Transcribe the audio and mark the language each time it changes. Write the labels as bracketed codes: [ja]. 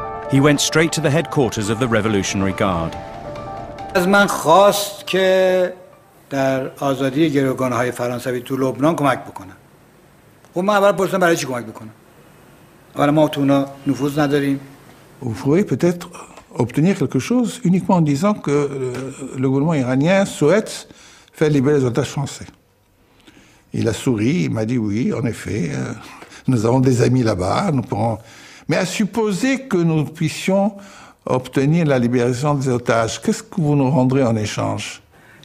[en] He went straight to the headquarters of the Revolutionary Guard. [fa] از من خواست که در آزادی گروگان‌های فرانسوی تو لبنان کمک بکنه. خب من اول پرسیدم برای چی کمک بکنم. اول ما تو اونا نفوذ نداریم. [fr] Vous pourriez peut-être obtenir quelque chose uniquement en disant que le gouvernement iranien souhaite faire libérer les otages français. Il a souri, il m'a dit oui, en effet, nous avons des amis là-bas, nous pourrons... Mais à supposer que nous puissions obtenir la libération des otages, qu'est-ce que vous nous rendrez en échange ?